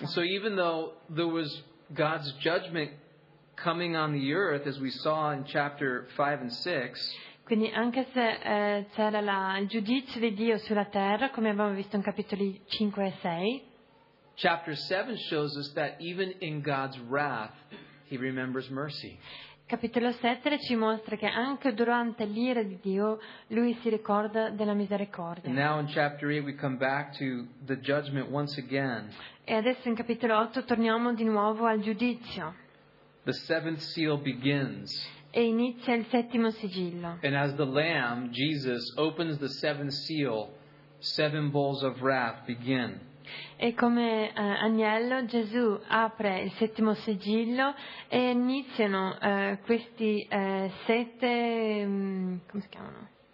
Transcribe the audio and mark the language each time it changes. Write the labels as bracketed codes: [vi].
[en] And so even though there was God's judgment coming on the earth, as we saw in chapter 5 and 6. [it] Quindi anche se c'era il giudizio di Dio sulla terra, come abbiamo visto in capitoli 5 e 6. [en] Chapter 7 shows us that even in God's wrath, He remembers mercy. [it] Capitolo 7 ci mostra che anche durante l'ira di Dio, Lui si ricorda della misericordia. [en] And now in chapter 8 we come back to the judgment once again. [it] E adesso in capitolo 8 torniamo di nuovo al giudizio. [en] The seventh seal begins. [it] E inizia il settimo sigillo. [en] And as the Lamb, Jesus, opens the seventh seal, seven bowls of wrath begin. [it] E come agnello, Gesù apre il settimo sigillo e iniziano questi sette, come si chiamano?